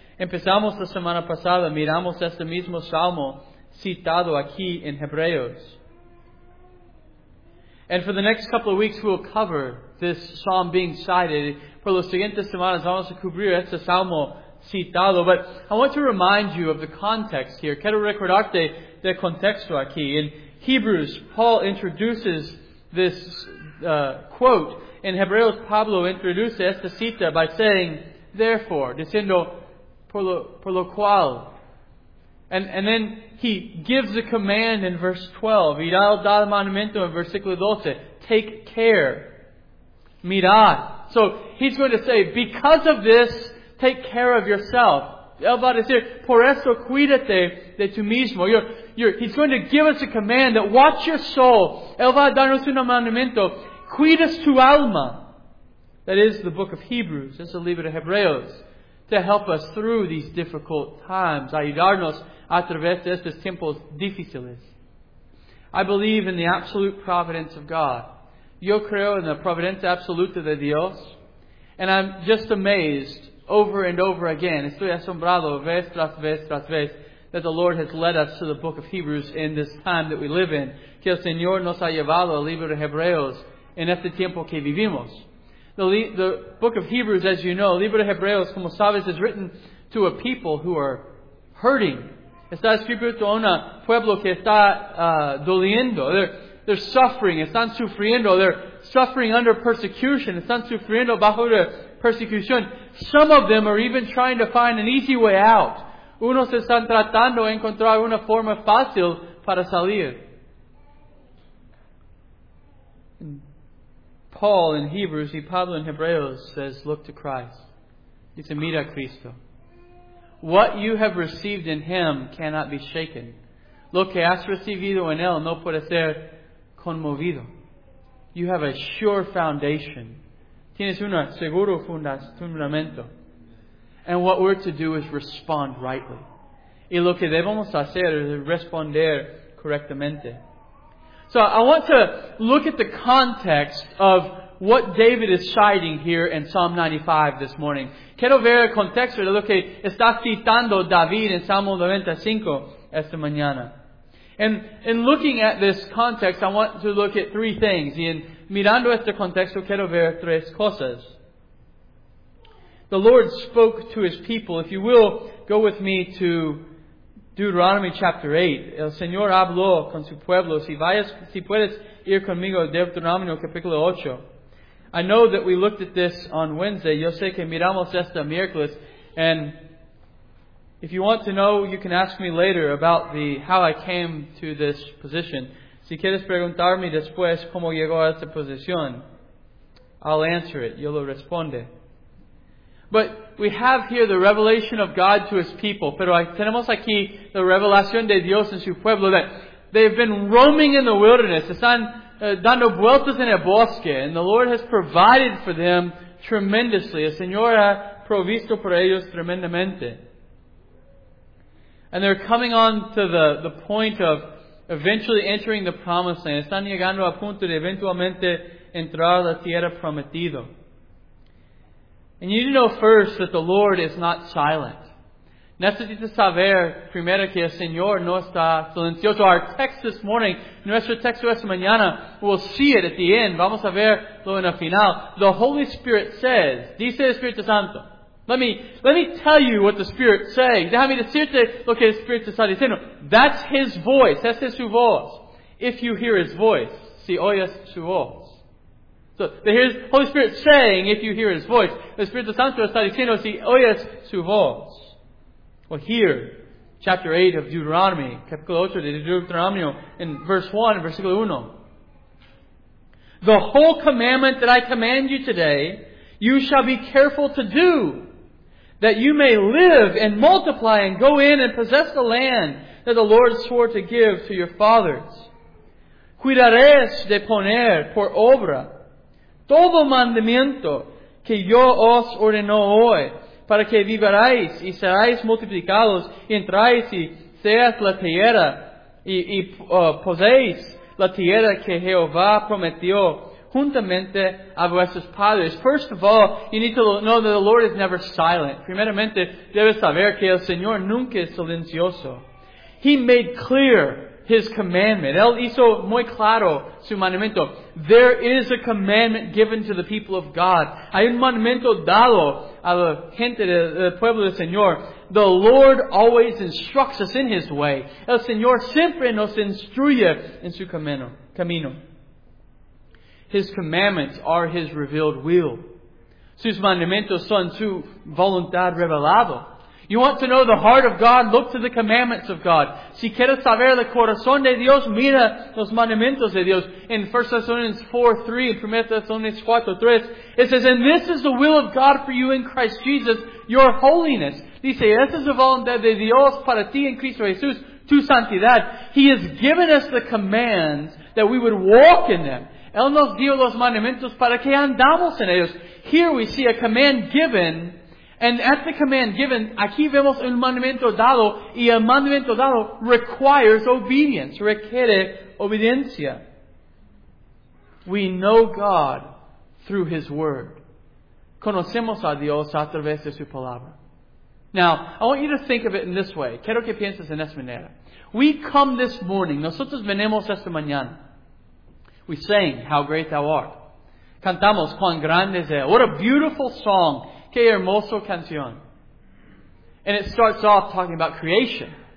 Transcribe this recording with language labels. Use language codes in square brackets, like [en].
[es] Empezamos la semana pasada, miramos este mismo Salmo citado aquí en Hebreos. [en] And for the next couple of weeks, we'll cover this Psalm being cited. [es] Por las siguientes semanas, vamos a cubrir este Salmo citado. [en] But I want to remind you of the context here. [es] Quiero recordarte del contexto aquí. [en] In Hebrews, Paul introduces this quote. [es] In Hebreos, Pablo introduce esta cita [en] by saying, therefore, [es] diciendo, Por lo cual. [en] And then he gives a command in verse 12. [es] Mirad dal mandamiento in versículo 12. [en] Take care. [es] Mirad. [en] So he's going to say, because of this, take care of yourself. [es] Él va a decir, por eso cuídate de tu mismo. [en] He's going to give us a command that watch your soul. [es] Él va a darnos un mandamiento. Cuidas tu alma. [en] That is the book of Hebrews. That's the libro de Hebreos. To help us through these difficult times. [es] Ayudarnos a través de estos tiempos difíciles. [en] I believe in the absolute providence of God. [es] Yo creo en la providencia absoluta de Dios. [en] And I'm just amazed over and over again. [es] Estoy asombrado vez tras vez [en] tras vez that the Lord has led us to the book of Hebrews in this time that we live in. [es] Que el Señor nos ha llevado al libro de Hebreos en este tiempo que vivimos. [en] The book of Hebrews, as you know, [es] Libro de Hebreos, como sabes, [en] is written to a people who are hurting. [es] Está escrito a un pueblo que está doliendo. [en] They're suffering. [es] Están sufriendo. [en] They're suffering under persecution. [es] Están sufriendo bajo de persecución. [en] Some of them are even trying to find an easy way out. [es] Unos están tratando de encontrar una forma fácil para salir. [en] Paul in Hebrews, Pablo in Hebreos says, look to Christ. [es] Dice, mira a Cristo. [en] What you have received in Him cannot be shaken. [es] Lo que has recibido en Él no puede ser conmovido. [en] You have a sure foundation. [es] Tienes un seguro fundamento. [en] And what we're to do is respond rightly. [es] Y lo que debemos hacer es responder correctamente. [en] So I want to look at the context of what David is citing here in Psalm 95 this morning. [es] Quiero ver el contexto de lo que está citando David en Salmo 95 esta mañana. [en] And in looking at this context, I want to look at three things. [es] Y mirando este contexto, quiero ver tres cosas. [en] The Lord spoke to His people. If you will, go with me to Deuteronomy chapter 8. [es] El Señor habló con su pueblo. Si puedes ir conmigo, Deuteronomio capítulo 8. [en] I know that we looked at this on Wednesday. [es] Yo sé que miramos esta miércoles. [en] And if you want to know, you can ask me later about how I came to this position. [es] Si quieres preguntarme después cómo llegó a esta posición, [en] I'll answer it. [es] Yo lo responde. [en] But we have here the revelation of God to His people. [es] Pero tenemos aquí la revelación de Dios en su pueblo, [en] that they've been roaming in the wilderness. [es] Están dando vueltas en el bosque. [en] And the Lord has provided for them tremendously. [es] El Señor ha provisto por ellos tremendamente. [en] And they're coming on to the point of eventually entering the promised land. [es] Están llegando a punto de eventualmente entrar a la tierra prometida. [en] And you need to know first that the Lord is not silent. [es] Necesitas saber primero que el Señor no está silencioso. [en] Our text this morning, [es] nuestro texto esta mañana, [en] we'll see it at the end. [es] Vamos a verlo en el final. [en] The Holy Spirit says, [es] dice el Espíritu Santo. [en] Let me tell you what the Spirit says. [es] Déjame decirte lo que el Espíritu está diciendo. [en] That's His voice. [es] Esa es su voz. [en] If you hear His voice, [es] si oyes su voz. [en] So, here's the Holy Spirit saying, if you hear His voice. [es] El Espíritu Santo está diciendo, si oyes su voz. [en] Well, here, chapter 8 of Deuteronomy, [es] capítulo 8 de Deuteronomio, [en] in verse 1, [es] versículo 1. [en] The whole commandment that I command you today, you shall be careful to do, that you may live and multiply and go in and possess the land that the Lord swore to give to your fathers. [es] Cuidaréis de poner por obra todo mandamiento que yo os ordeno hoy, para que viváis y seáis multiplicados, y entráis y seáis la tierra, y poseéis la tierra que Jehová prometió juntamente a vuestros padres. [en] First of all, you need to know that the Lord is never silent. [es] Primeramente, debes saber que el Señor nunca es silencioso. [en] He made clear His commandment. [es] Él hizo muy claro su mandamiento. [en] There is a commandment given to the people of God. [es] Hay un mandamiento dado a la gente del pueblo del Señor. [en] The Lord always instructs us in His way. [es] El Señor siempre nos instruye en su camino. [en] His commandments are His revealed will. [es] Sus mandamientos son su voluntad revelado. [en] You want to know the heart of God? Look to the commandments of God. [es] Si quieres saber el corazón de Dios, mira los mandamientos de Dios. [en] In 1 Thessalonians 4, 3, in 1 Thessalonians 4, 3, it says, and this is the will of God for you in Christ Jesus, your holiness. [es] Dice, esta es la voluntad de Dios para ti en Cristo Jesús, tu santidad. [en] He has given us the commands that we would walk in them. [es] Él nos dio los mandamientos para que andamos en ellos. [en] Here we see a command given. And at the command given, [es] aquí vemos un mandamiento dado, [en] y el mandamiento dado requires obedience, [es] requiere obediencia. [en] We know God through His Word. [es] Conocemos a Dios a través de su palabra. [en] Now, I want you to think of it in this way. [es] Quiero que pienses en esta manera. [en] We come this morning, [es] nosotros venimos esta mañana. [en] We sing, How Great Thou Art. [es] Cantamos, Cuán Grande Es Él. [en] What a beautiful song. [es] Qué hermoso canción. [en] And it starts off talking about creation.